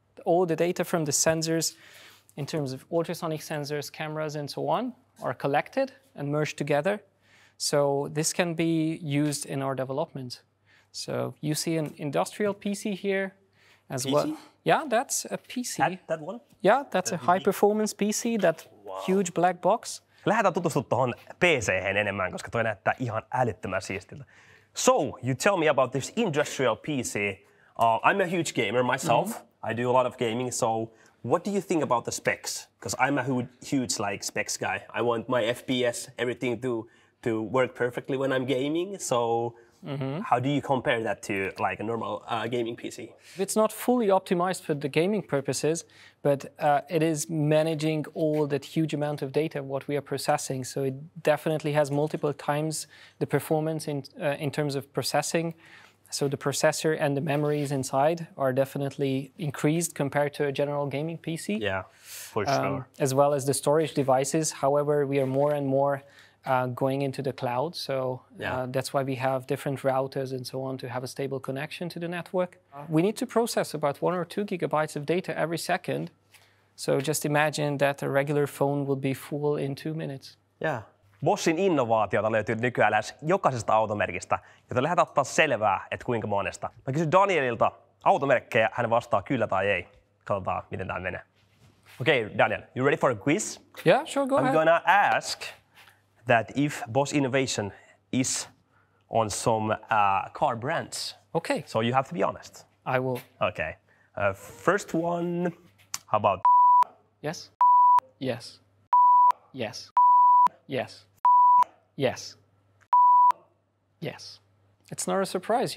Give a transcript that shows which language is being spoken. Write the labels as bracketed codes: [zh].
[en] All the data from the sensors in terms of ultrasonic sensors, cameras and so on are collected and merged together. So this can be used in our development. So you see an industrial PC here as well. Yeah, that's a PC. That one? Yeah, that's a high-performance PC, that huge black box. [fi] Lähdetään tutustumaan tuohon PC:hen enemmän, koska toi näyttää ihan älyttömän siistiltä. [en] So, you tell me about this industrial PC. I'm a huge gamer myself. Mm-hmm. I do a lot of gaming. So, what do you think about the specs? Because I'm a huge like specs guy. I want my FPS, everything to work perfectly when I'm gaming. So. Mm-hmm. How do you compare that to like a normal gaming PC? It's not fully optimized for the gaming purposes, but it is managing all that huge amount of data what we are processing. So it definitely has multiple times the performance in terms of processing. So the processor and the memories inside are definitely increased compared to a general gaming PC. Yeah, for sure. As well as the storage devices. However, we are more and more going into the cloud, so that's why we have different routers and so on to have a stable connection to the network. We need to process about 1 or 2 gigabytes of data every second, so just imagine that a regular phone would be full in 2 minutes. Yeah. [fi] Boschin innovaatiota löytyy nykyään lähes jokaisesta automerkistä, joten lähdetään ottaa selvää, että kuinka monesta. Mä kysyn Danielilta automerkkejä, hän vastaa kyllä tai ei. Katsotaan, miten tämä menee. [en] Okay, Daniel, you ready for a quiz? Yeah, sure, go I'm ahead. I'm gonna ask that if Bosch innovation is on some car brands. Okay. So you have to be honest. I will. Okay. First one, how about yes. Yes. Yes. Yes. Yes. Yes. It's not a surprise.